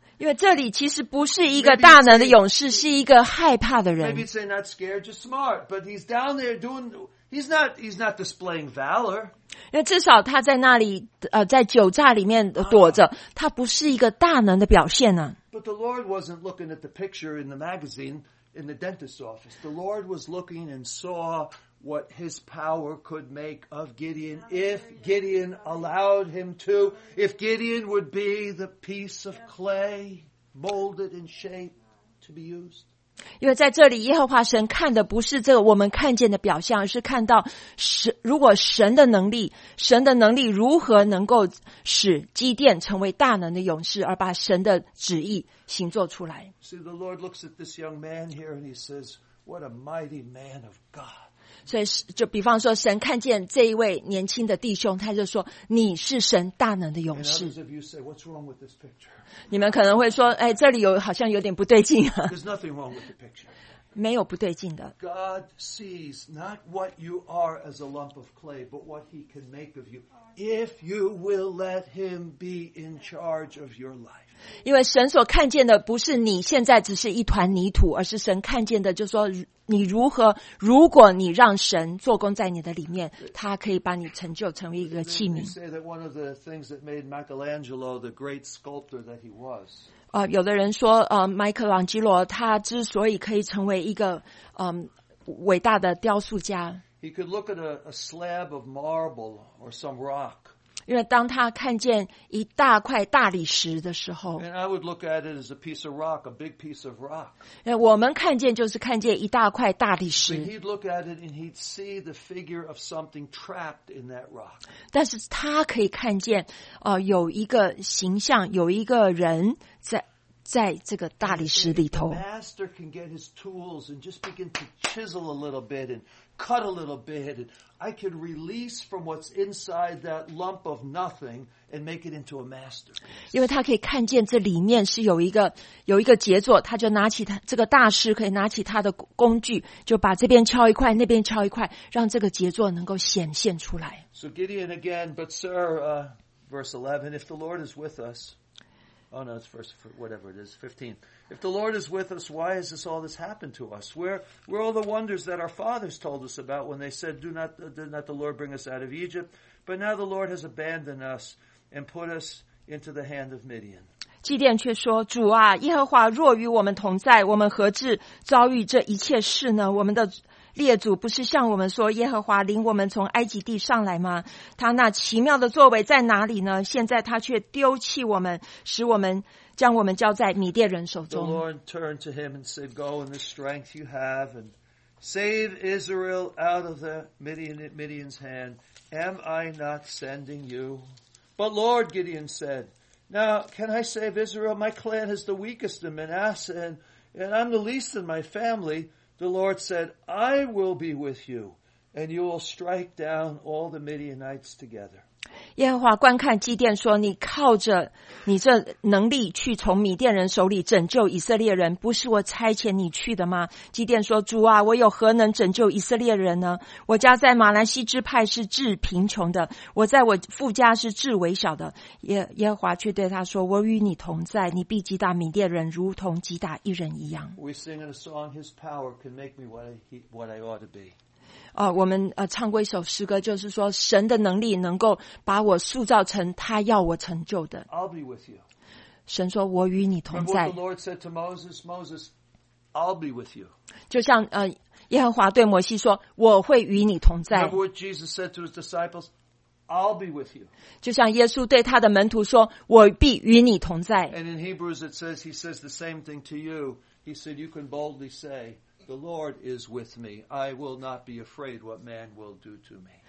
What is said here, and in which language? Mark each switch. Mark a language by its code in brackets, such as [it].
[zh] 因为这里其实不是一个大能的勇士，是一个害怕的人。 [en] Maybe they're not scared, just smart, but he's down there doing. He's not displaying valor. [zh] 因为至少他在那里，在酒榨里面躲着，他不是一个大能的表现呢。 [en] But the Lord wasn't looking at the picture in the magazine in the dentist's office. The Lord was looking and saw what his power could make of Gideon if Gideon allowed him to, if Gideon would be the piece of clay molded in shape. to be used. [zh] 因为在这里耶和华神看的不是这个我们看见的表象，而是看到神，如果神的能力，神的能力如何能够使基甸成为大能的勇士，而把神的旨意行作出来。 [en] See, the Lord looks at this young man here and he says, what a mighty man of God. [zh] 所以就比方说神看见这一位年轻的弟兄，他就说你是神大能的勇士。 [en] And others of you say, what's wrong with this picture? [zh] 你们可能会说，哎，这里有好像有点不对劲啊。 [en] There's nothing wrong with the picture. [zh] 没有不对劲的。 [en] God sees not what you are as a lump of clay, but what He can make of you if you will let Him be in charge of your life. [zh] 因为神所看见的不是你现在只是一团泥土，而是神看见的，就是说你如何，如果你让神做工在你的里面，他可以把你成就成为一个器皿。 [en] Say that one of the things that made Michelangelo the great sculptor that he was. [zh] 有的人说，麦克朗基罗他之所以可以成为一个伟大的雕塑家。 [en] He could look at a slab of marble or some rock. [zh] 因为当他看见一大块大理石的时候。 [en] And I would look at it as a piece of rock, a big piece of rock. [zh] 我们看见就是看见一大块大理石。 [en] But he'd look at it and he'd see the figure of something trapped in that rock. [zh] 但是他可以看见，有一个形象，有一个人在这个大理石里头。 [en] The master can get his tools and just begin to chisel a little bit and cut a little bit, and I can release from what's inside that lump of nothing and make it into a masterpiece. [zh] 因为他可以看见这里面是有一个杰作，他就拿起他这个大师可以拿起他的工具，就把这边敲一块，那边敲一块，让这个杰作能够显现出来。 [en] So Gideon again, but sir, verse 11, if the Lord is with us, oh no, it's verse whatever it is, 15. If the Lord is with us, why has this all this happened to us? Where all the wonders that our fathers told us about when they said, did not the Lord bring us out of Egypt? But now the Lord has abandoned us and put us into the hand of Midian. [zh] 基甸却说，主啊，耶和华若与我们同在，我们何至遭遇这一切事呢？我们的列祖不是向我们说，耶和华领我们从埃及地上来吗？他那奇妙的作为在哪里呢？现在他却丢弃我们，使我们将我们交在米甸人手中。 [en] The Lord turned to him and said, "Go in the strength you have, and save Israel out of the Midian's hand. Am I not sending you?" But Lord, Gideon said, "Now can I save Israel? My clan is the weakest in Manasseh, and I'm the least in my family." The Lord said, "I will be with you, and you will strike down all the Midianites together." [zh] 耶和华观看基甸说，你靠着你这能力去从米甸人手里拯救以色列人，不是我差遣你去的吗？基甸说，主啊，我有何能拯救以色列人呢？我家在马兰西支派是至贫穷的，我在我父家是至微小的。耶和华却对他说，我与你同在，你必击打米甸人如同击打一人一样。 [en] We sing a song, His power can make me what I ought to be. [zh] 我们唱过一首诗歌，就是说神的能力能够把我塑造成他要我成就的。 [en] I'll be with you. [zh] 神说我与你同在。 [en] And what the Lord said to Moses, Moses, I'll be with you. [zh] 就像耶和华对摩西说，我会与你同在。 [en] And what Jesus said to his disciples, I'll be with you. [zh] 就像耶稣对他的门徒说，我必与你同在。 [en] And in Hebrews it says, he says the same thing to you. He said, you can boldly say,The Lord is with me. I will not be afraid what man will do to me.